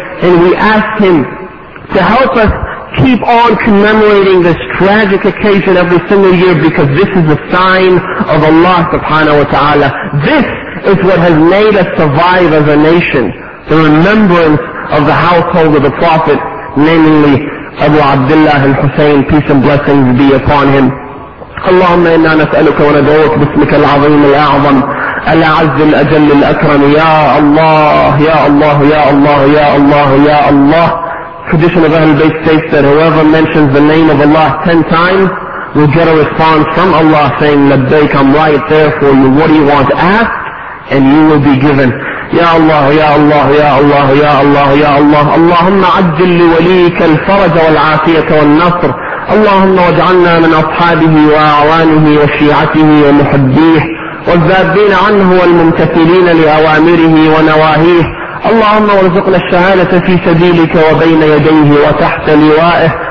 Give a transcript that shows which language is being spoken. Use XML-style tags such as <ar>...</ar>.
<en>And we ask him to help us keep on commemorating this tragic occasion every single year, because this is a sign of Allah subhanahu wa ta'ala. This is what has made us survive as a nation, the remembrance of the household of the Prophet, namely Abu Abdullah al-Hussein, peace and blessings be upon him.</en> <ar>اللهم إنا نسألك وندعوك باسمك العظيم الأعظم الأعز الأجل الأكرم يا الله يا الله يا الله يا الله يا الله.</ar> <en>Tradition of Ahl al-Bayt states that whoever mentions the name of Allah 10 times will get a response from Allah saying, "Labbaik, I'm right there for you. What do you want? Ask and you will be given."</en> <ar>يا الله يا الله يا الله يا الله يا الله. اللهم عجل لوليك الفرج والعافية والنصر. اللهم واجعلنا من أصحابه وأعوانه وشيعته ومحبيه والذابين عنه والممتثلين لأوامره ونواهيه. اللهم وارزقنا الشهادة في سبيلك وبين يديه وتحت لوائه.</ar>